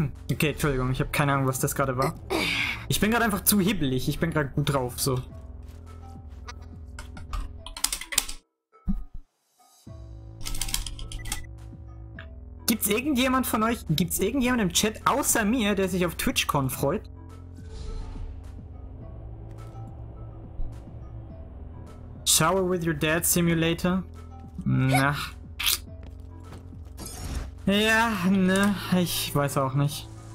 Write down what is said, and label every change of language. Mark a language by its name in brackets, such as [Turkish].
[German] Okay, Entschuldigung, ich habe keine Ahnung, was das gerade war. Ich bin gerade einfach zu hibbelig, ich bin gerade gut drauf, so. Gibt's irgendjemand im Chat außer mir, der sich auf TwitchCon freut? [English] Shower with your dad simulator? Na. [German] Ja, ne, ich weiß auch nicht.